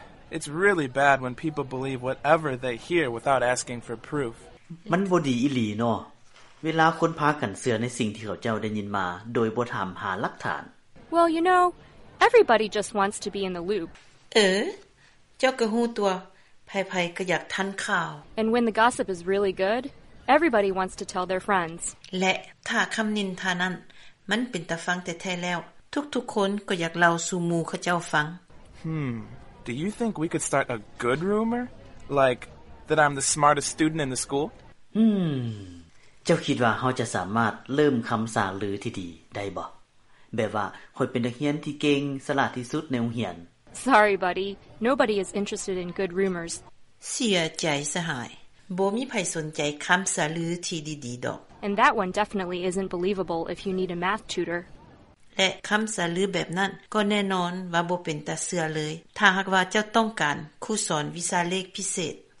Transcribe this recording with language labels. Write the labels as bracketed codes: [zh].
[en] It's really bad when people believe whatever they hear without asking for proof [tts] มันบ่ดีอีหลีเนาะเวลาคนพากันเชื่อในสิ่งที่เขาเจ้าได้ยินมาโดยบ่ถามหาหลักฐาน [en] Well you know everybody just wants to be in the loop [tts] เจ้าก็ฮู้ตัวไผๆก็อยากทันข่าว [en] And when the gossip is really good everybody wants to tell their friends [tts] และถ้าคํานินทานั้นมันเป็นตาฟังแท้ๆแล้วทุกๆคนก็อยากเล่าสู่หมู่เขาเจ้าฟัง [en] Do you think we could start a good rumor? Like, that I'm the smartest student in the school? [tts] เจ้าคิดว่าเขาจะสามารถเริ่มคําสาลือที่ดีได้บ่แบบว่าข้อยเป็นนักเรียนที่เก่งสละที่สุดในโรงเรียน [en] Sorry, buddy. Nobody is interested in good rumors. [tts] เสียใจสหายบ่มีใครสนใจคําสาลือที่ดีๆดอก [en] And that one definitely isn't believable if you need a math tutor. [tts] และคําสาลือแบบนั้นก็แน่นอนว่าบ่เป็นตาเสือเลยถ้าหากว่าเจ้าต้องการครูสอนวิชาเลขพิเศษ